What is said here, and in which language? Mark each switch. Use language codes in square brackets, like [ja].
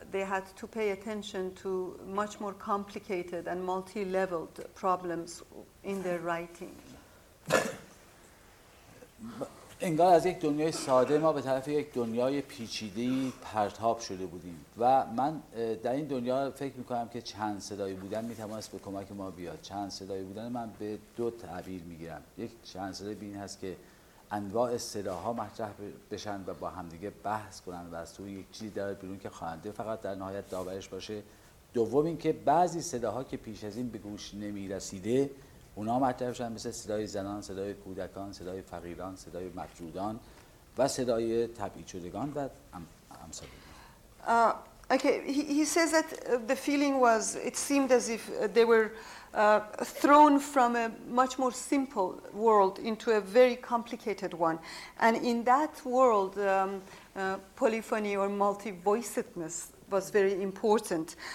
[en] They had to pay attention to much more complicated and multi-leveled problems in their writing. [fa] انگار از یک دنیای ساده ما به طرف یک دنیای پیچیده‌ای پرتاب شده بودیم و من در این دنیا فکر می‌کنم که چند صدایی بودن میتوانست به کمک ما بیاد. چند صدایی بودن من به دو تعبیر می‌گیرم. یک چند صدایی بین هست که انواع صداها مطرح بشن و با همدیگه بحث کنن و از توی یک چیزی داره بیرون که خواننده فقط در نهایت داورش باشه. دوم اینکه بعضی صداها که پیش از این به گوش نمی‌رسیده اونا مطرح شدن، مثل صدای زنان، صدای کودکان، صدای فقیران، صدای مطرودان و صدای تبعید شدگان و امثال اینا. [en] Okay, he says that the feeling was, it seemed as if they were thrown from a much more simple world into a very complicated one. And in that world, polyphony or multi-voicedness was very important.